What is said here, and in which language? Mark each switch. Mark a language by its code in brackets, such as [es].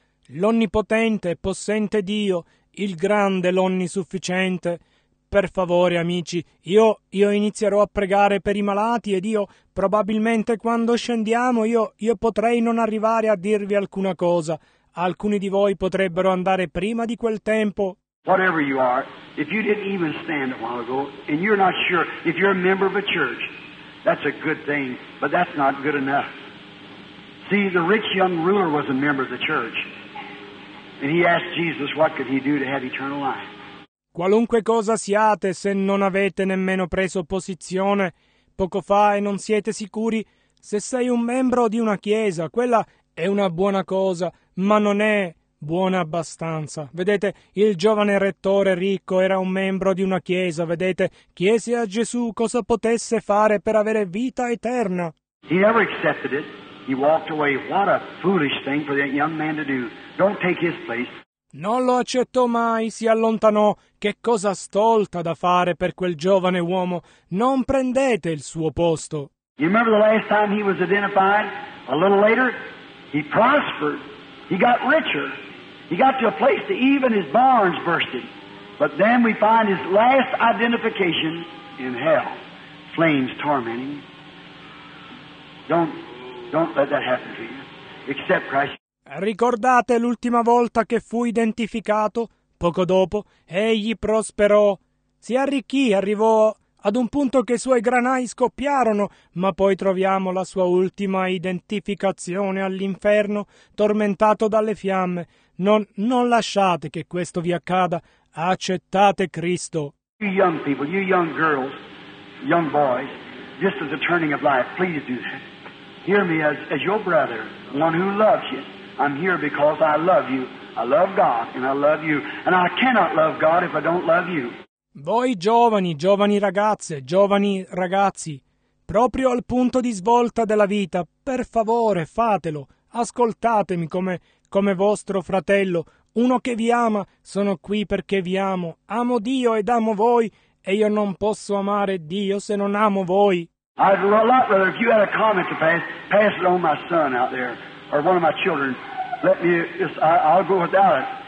[it] L'onnipotente, possente Dio, il grande, l'onnisufficiente. Per favore, amici, io inizierò a pregare per i malati ed io, probabilmente, quando scendiamo, io potrei non arrivare a dirvi alcuna cosa. Alcuni di voi potrebbero andare prima di quel tempo. [en] Whatever you are, if you didn't even stand a while ago, and you're not sure, if you're a member of a church, that's a good thing, but that's not good enough. See, the rich young ruler was a member of the church, and he asked Jesus what could he do to have eternal life. [it] Qualunque cosa siate, se non avete nemmeno preso posizione poco fa e non siete sicuri, se sei un membro di una chiesa, quella è una buona cosa, ma non è buona abbastanza. Vedete, il giovane rettore ricco era un membro di una chiesa, vedete, chiese a Gesù cosa potesse fare per avere vita eterna. [en] He never accepted it. He walked away. What a foolish thing for that young man to do. Don't take his place. [it] Non lo accettò mai, si allontanò. Che cosa stolta da fare per quel giovane uomo. Non prendete il suo posto. [en] You remember the last time he was identified? A little later, he prospered. He got richer. He got to a place to even his barns bursted. But then we find his last identification in hell. Flames tormenting. Don't let that happen to you. Except Christ. [it] Ricordate l'ultima volta che fu identificato? Poco dopo, egli prosperò, si arricchì, arrivò ad un punto che i suoi granai scoppiarono, ma poi troviamo la sua ultima identificazione all'inferno, tormentato dalle fiamme. Non lasciate che questo vi accada, accettate Cristo. [en] You young people, you young girls, young boys, this is the turning of life, please do that. Hear me as your brother, one who loves you. I'm here because I love you. I love God and I love you. And I cannot love God if I don't love you. [it] Voi giovani ragazze, giovani ragazzi, proprio al punto di svolta della vita, per favore fatelo, ascoltatemi come vostro fratello, uno che vi ama, sono qui perché vi amo, amo Dio ed amo voi, e io non posso amare Dio se non amo voi. [en] I'd love, brother, if you had a comment to pass it on my son out there, or one of my children, let me, I'll go without it.